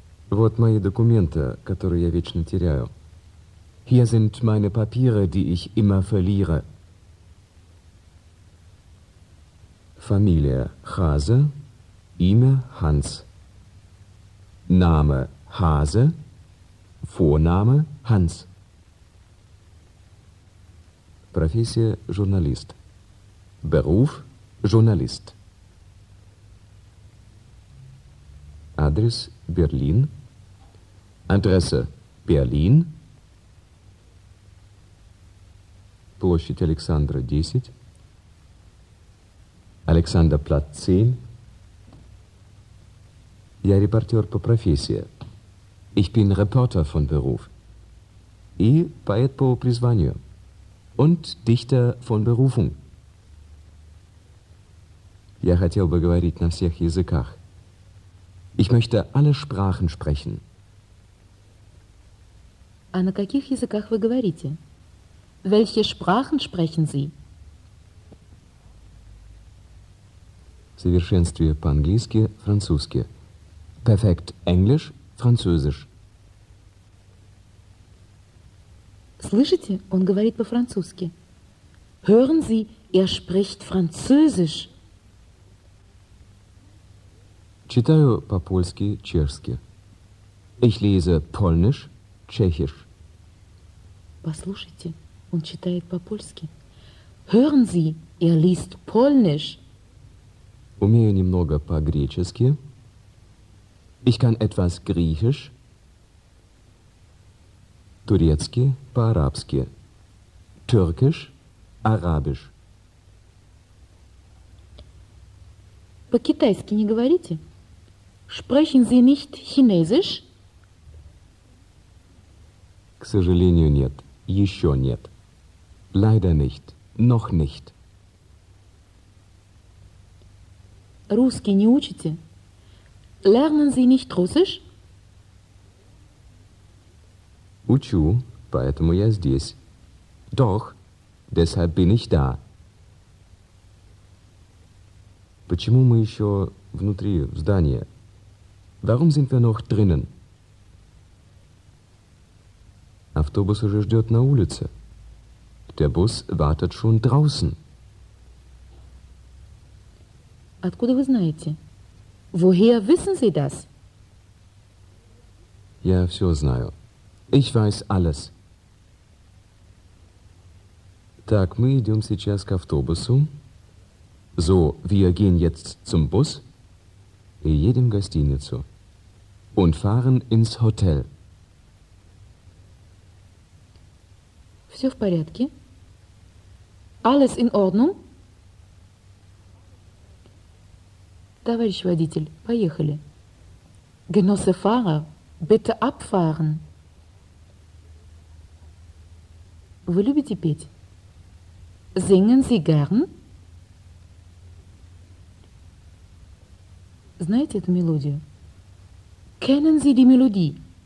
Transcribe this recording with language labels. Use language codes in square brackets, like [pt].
[ru] Вот мои документы, которые я вечно теряю. [de] Hier sind meine Papiere, die ich immer verliere. [ru] Фамилия Хазе, имя Ханс. [de] Name Хазе, Vorname Ханс. [ru] Профессия журналист. [de] Beruf [ru] журналист. Адрес Берлин. [de] Adresse Берлин. [ru] Площадь Александра 10. [de] Александерплац 10. [ru] Я репортер по профессии. [de] Ich bin Reporter von Beruf. [ru] И поэт по призванию. [de] Und Dichter von Berufung. [ru] Я хотел бы говорить на всех языках. [de] Ich möchte alle Sprachen sprechen. [ru] А на каких языках вы говорите? [de] Welche Sprachen sprechen Sie? [ru] В совершенстве по-английски, французски. [en] Perfect English, [de] französisch. [ru] Слышите, он говорит по-французски. [de] Hören Sie, spricht französisch. [ru] Читаю по-польски, чешски. [de] Ich lese polnisch, tschechisch. [ru] Послушайте, он читает по-польски. [de] Hören Sie, liest polnisch. [ru] Умею немного по-гречески. [de] Ich kann etwas griechisch. [ru] Турецки, по-арабски. [de] Türkisch, арабisch. [ru] По-китайски не говорите? [de] Sprechen Sie nicht chinesisch? [ru] К сожалению, нет. Еще нет. [de] Leider nicht. Noch nicht. [ru] Русский не учите? [de] Lernen Sie nicht russisch? [ru] Учу, поэтому я здесь. [de] Doch, deshalb bin ich da. [ru] Почему мы еще внутри, в здании? [de] Warum sind wir noch drinnen? [ru] Автобус уже ждет на улице. [de] Der Bus wartet schon draußen. [ru] Откуда вы знаете? [de] Woher wissen Sie das? [ru] Я все знаю. [de] Ich weiß alles. [ru] Так, мы идем сейчас к автобусу. [de] So, wir gehen jetzt zum Bus [ru] и едем в гостиницу. [de] Und fahren ins Hotel. [ru] Все в порядке? [de] Alles in Ordnung? [ru] Товарищ водитель, поехали. [de] Genosse Fahrer, bitte abfahren. [ru] Вы любите петь? [de] Singen Sie gern? [ru] Знаете эту мелодию? [de] Kennen Sie die Melodie?